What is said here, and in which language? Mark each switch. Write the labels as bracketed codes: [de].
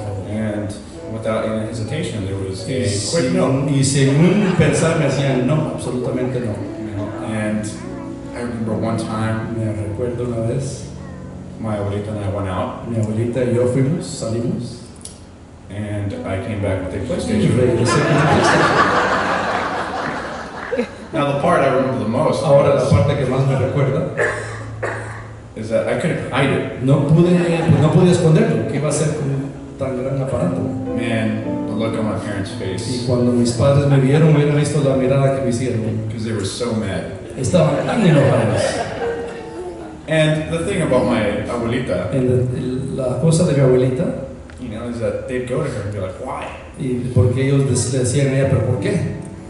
[en] And without any hesitation, there was a quick no. [es] Y sin pensar me decían no, absolutamente no. [en] And I remember one time, [es] me recuerdo una vez, [en] my abuelita and I went out. [es] Mi abuelita y yo fuimos, salimos. [en] And I came back with a PlayStation. Now the part I remember the most. [es] Ahora la parte que más me recuerda [en] is that I couldn't hide it. [es] No pude esconderlo. ¿Qué iba a hacer con tan gran aparato? [en] Man, the look on my parents' face. [es] Y cuando mis padres me vieron, hubieran visto la mirada que me hicieron. [en] Because they were so mad. [es] Estaban tan enojados. [en] And the thing about my abuelita. [es] La cosa de mi abuelita. [en] You know, is that they'd go to her and be like, why? [es] Y porque ellos le decían a ella, pero ¿por qué?